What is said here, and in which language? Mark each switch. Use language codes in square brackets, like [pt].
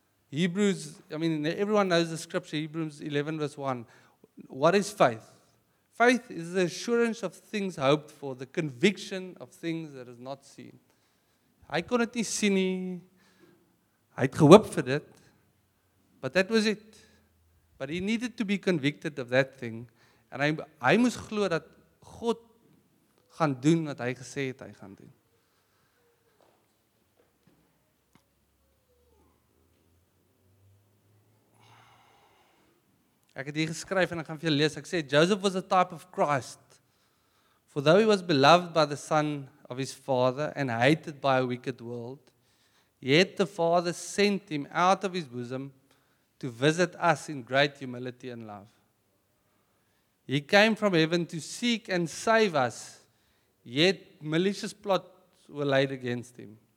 [en] Hebrews, I mean, everyone knows the scripture, Hebrews 11 verse 1. What is faith? Faith is the assurance of things hoped for, the conviction of things that is not seen. [af] Hy kon dit nie sien nie. Hy het gehoop vir dit. [en] But that was it. But he needed to be convicted of that thing. And [af] hy moes glo dat God gaan doen wat hy gesê het hy gaan doen. Ek het hier geskryf en ek gaan vir julle lees. Ek sê, [en] Joseph was a type of Christ. For though he was beloved by the son of his father and hated by a wicked world, yet the father sent him out of his bosom to visit us in great humility and love. He came from heaven to seek and save us, yet malicious plots were laid against him.